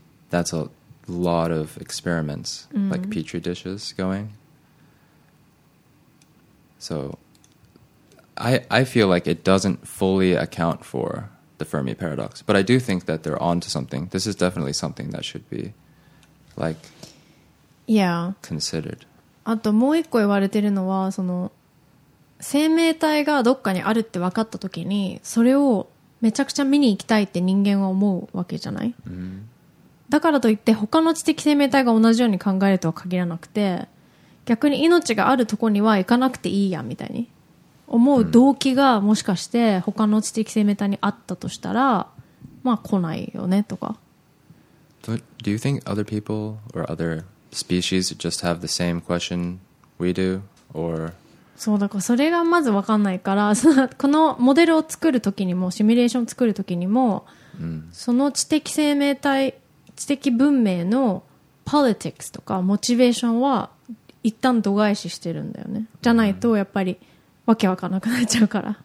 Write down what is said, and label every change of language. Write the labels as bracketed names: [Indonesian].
[English] That's a lot of experiments,、mm-hmm. like petri dishes going. So I feel like it doesn't fully account for the Fermi paradox. But I do think that they're onto something. This is definitely something that should be, like, yeah, considered. [Japanese] あともう一個言われてるのは、その生命体がどっかにあるって分かったときに、それをめちゃくちゃ見に行きたいって人間は思うわけじゃない、うん、だからといって他の知的生命体が同じように考えるとは限らなくて、逆に命があるとこには行かなくていいやみたいに思う動機がもしかして他の知的生命体にあったとしたら、まあ来ないよねとか。 [English] Do you think other people or other species just have the same question we do? Or... [Japanese] そうだから、それがまず分かんないから、このモデルを作るときにもシミュレーションを作るときにも、うん、その知的生命体、知的文明の politics とかモチベーションは一旦度外視してるんだよね。じゃないとやっぱりわけ分かんなくなっちゃうから、